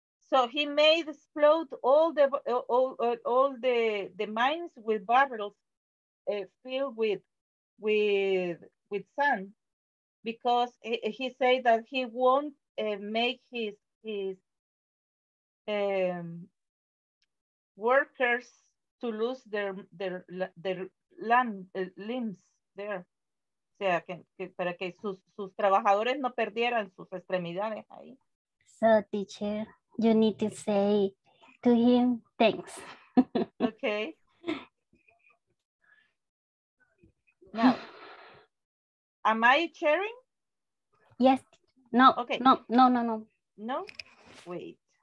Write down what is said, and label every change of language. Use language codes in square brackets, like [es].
[en] So he made explode all the mines with barrels filled with sand, because he said that he won't make his workers to lose their land limbs there. [es] O sea, que para que sus trabajadores no perdieran sus extremidades ahí. [en] So teacher, you need to say to him thanks. Okay. Now, am I sharing? Yes. No. Okay. No. No? Wait.